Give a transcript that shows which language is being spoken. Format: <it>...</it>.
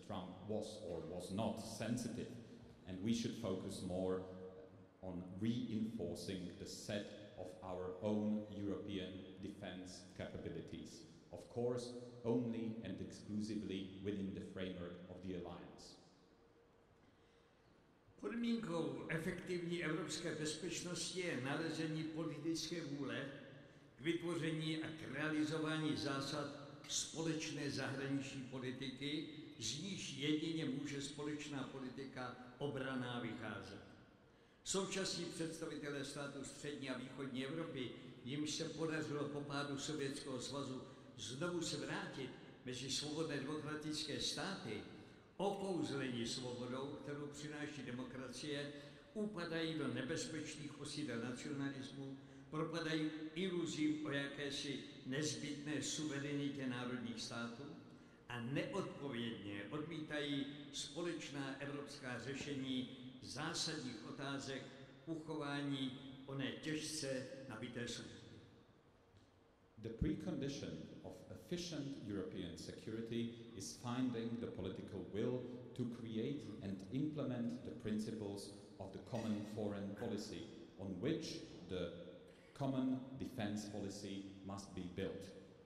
<en>Trump was or was not sensitive, and we should focus more on reinforcing the set of our own European defense capabilities. Of course, only and exclusively within the framework of the alliance.</en> <cs>Podmínkou efektivní evropské bezpečnosti je nalezení politické vůle, k vytvoření a k realizování zásad společné zahraniční politiky, z níž jedině může společná politika obranná vycházet. Současní představitelé států střední a východní Evropy, jimž se podařilo po pádu Sovětského svazu znovu se vrátit mezi svobodné demokratické státy, okouzlení svobodou, kterou přináší demokracie, upadají do nebezpečných osídel nacionalismu, propadají iluzím o jakési nezbytné suverenitě národních států a neodpovědně odmítají společná evropská řešení zásadních otázek uchování oné těžce nabité svobody.</cs> <en>The precondition of efficient European security is finding the political will to create and implement the principles of the common foreign policy on which the common defense policy must be built.</en>